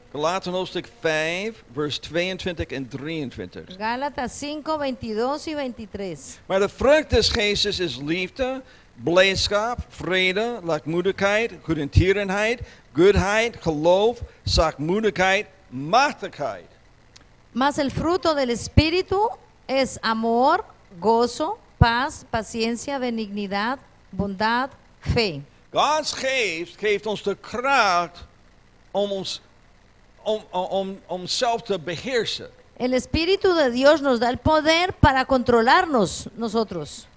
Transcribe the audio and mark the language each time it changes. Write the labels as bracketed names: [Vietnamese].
[Dutch] Galaten hoofdstuk 5, vers 22 en 23. Galaten 5, 22 en 23. Maar de vrucht des geestes is liefde, blijdschap, vrede, lachmoedigheid, goedertierenheid, goedheid, geloof, zachtmoedigheid, machtigheid. [Spanish] Mas el fruto del espíritu es amor, gozo, paz, paciencia, benignidad, bondad, fe. [Dutch] God's Geest geeft ons de kracht om zelf te beheersen. [Spanish] El Espíritu de Dios nos da el poder para controlarnos nosotros.